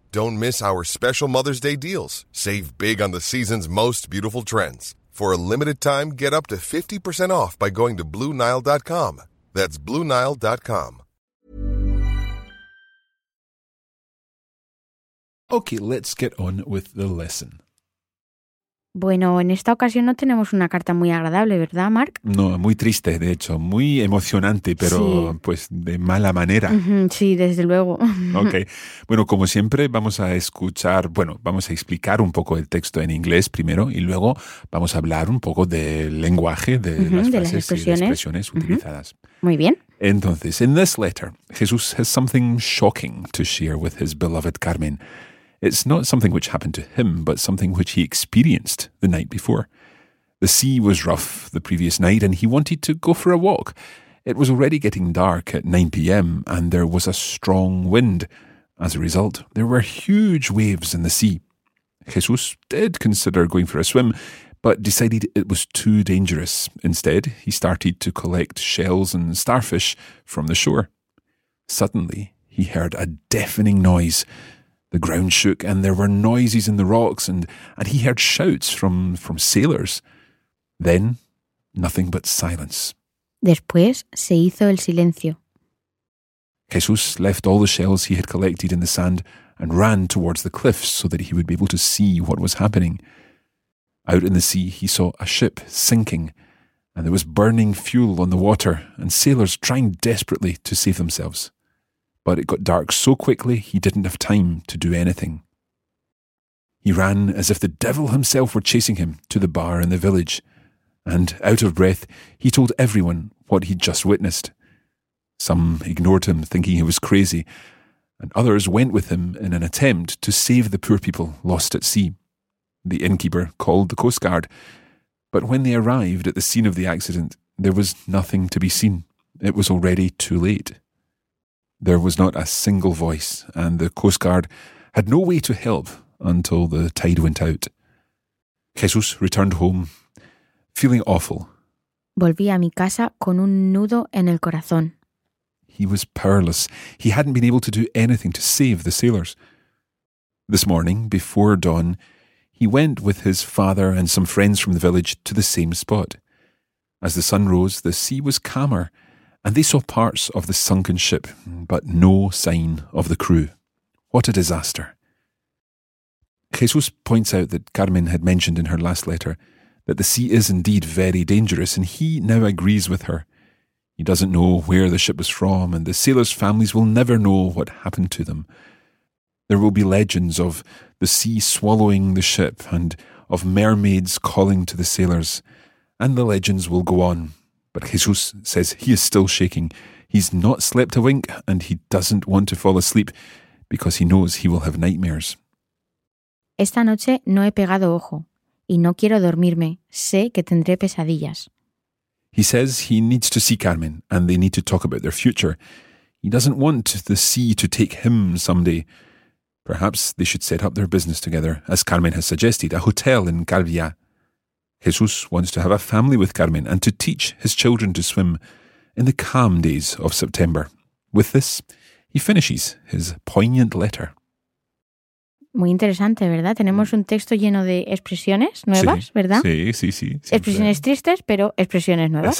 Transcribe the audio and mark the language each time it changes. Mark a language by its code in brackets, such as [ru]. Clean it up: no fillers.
[en] Don't miss our special Mother's Day deals. Save big on the season's most beautiful trends. For a limited time, get up to 50% off by going to BlueNile.com. That's BlueNile.com. Okay, let's get on with the lesson. [es] Bueno, en esta ocasión no tenemos una carta muy agradable, ¿verdad, Mark? No, muy triste, de hecho. Muy emocionante, pero sí. Pues de mala manera. Sí, desde luego. Ok. Bueno, como siempre, vamos a escuchar, bueno, vamos a explicar un poco el texto en inglés primero y luego vamos a hablar un poco del lenguaje, de las frases de las expresiones utilizadas. Muy bien. [en] Entonces, in this letter, Jesús has something shocking to share with his beloved Carmen. It's not something which happened to him, but something which he experienced the night before. The sea was rough the previous night, and he wanted to go for a walk. It was already getting dark at 9 p.m., and there was a strong wind. As a result, there were huge waves in the sea. Jesús did consider going for a swim, but decided it was too dangerous. Instead, he started to collect shells and starfish from the shore. Suddenly, he heard a deafening noise. The ground shook and there were noises in the rocks and he heard shouts from sailors. Then, nothing but silence. [es] Después se hizo el silencio. [en] Jesús left all the shells he had collected in the sand and ran towards the cliffs so that he would be able to see what was happening. Out in the sea he saw a ship sinking and there was burning fuel on the water and sailors trying desperately to save themselves. But it got dark so quickly he didn't have time to do anything. He ran as if the devil himself were chasing him to the bar in the village. And out of breath, he told everyone what he'd just witnessed. Some ignored him, thinking he was crazy. And others went with him in an attempt to save the poor people lost at sea. The innkeeper called the Coast Guard. But when they arrived at the scene of the accident, there was nothing to be seen. It was already too late. There was not a single voice, and the Coast Guard had no way to help until the tide went out. Jesús returned home, feeling awful. [es] Volví a mi casa con un nudo en el corazón. [en] He was powerless. He hadn't been able to do anything to save the sailors. This morning, before dawn, he went with his father and some friends from the village to the same spot. As the sun rose, the sea was calmer, and they saw parts of the sunken ship, but no sign of the crew. What a disaster. Jesús points out that Carmen had mentioned in her last letter that the sea is indeed very dangerous, and he now agrees with her. He doesn't know where the ship was from, and the sailors' families will never know what happened to them. There will be legends of the sea swallowing the ship and of mermaids calling to the sailors, and the legends will go on. But Jesús says he is still shaking. He's not slept a wink, and he doesn't want to fall asleep because he knows he will have nightmares. [es] Esta noche no he pegado ojo, y no quiero dormirme. Sé que tendré pesadillas. [en] He says he needs to see Carmen, and they need to talk about their future. He doesn't want the sea to take him someday. Perhaps they should set up their business together, as Carmen has suggested, a hotel in Calvià. Jesús wants to have a family with Carmen and to teach his children to swim in the calm days of September. With this, he finishes his poignant letter. [es] Muy interesante, ¿verdad? Tenemos un texto lleno de expresiones nuevas, sí, ¿verdad? Sí. Siempre. Expresiones tristes, pero expresiones nuevas.